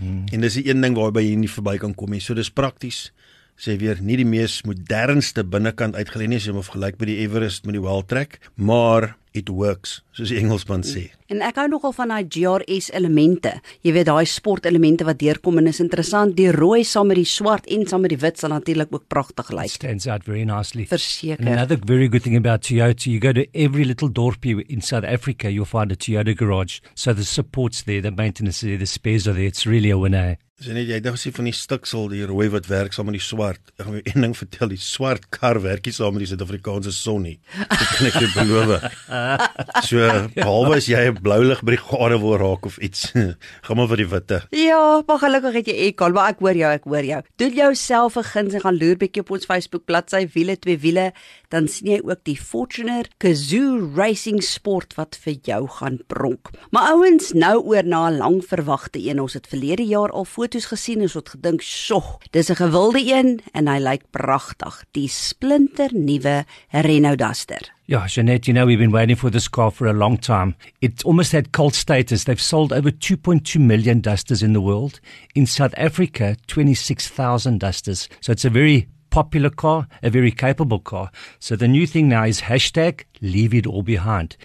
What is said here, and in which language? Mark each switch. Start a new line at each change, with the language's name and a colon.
Afrikaans: En dis die een ding waarby jy nie verby kan kom nie. So dis prakties. Sê weer nie die mees modernste binnekant uitgelê nie as jy hom vergelyk met die Everest met die Wildtrak, maar
English: it works,
Afrikaans: soos die Engelsman sê. En ek hou nogal van daai GRS elemente. Jy weet daai sport elemente wat deurkom en is interessant. Die rooi saam met die swart en saam met die wit sal natuurlik ook pragtig lyk.
English: Stands out very nicely.
Afrikaans: Verseker.
English: And another very good thing about Toyota, you go to every little dorp in South Africa, you'll find a Toyota garage. So the support's there, the maintenance there, the spares are there. It's really a winner.
Afrikaans: Sien jy, jy dink sy van die stiksel, die rooi wat werk saam met die swart. Ek gaan jou een ding vertel, die swart kar werkie saam met die Suid-Afrikaanse son nie. Dit kan ek jou beloof. So, behalwe as jy 'n blou lig brigade wil raak of iets, gaan maar vir die witte. Ja, maar gelukkig het jy ekal, maar ek hoor jou. Doen jouself 'n guns en gaan loer bietjie op ons Facebook bladsy Wiele 2 Wiele, dan sien jy ook die Fortuner Kazoo Racing Sport wat vir jou gaan pronk. Maar ouens, nou oor na 'n lang verwagte een, ons het verlede jaar al foto's gesien en so het gedink, "Sjoh, dis 'n gewilde een en hy lyk pragtig." Die splinter nuwe Renault Duster.
English: Ja, Jeanette, you know we've been waiting for this car for a long time. It's almost had cult status. They've sold over 2.2 million Dusters in the world. In South Africa, 26,000 Dusters. So it's a very popular car, a very capable car. So the new thing now is hashtag leave it all behind.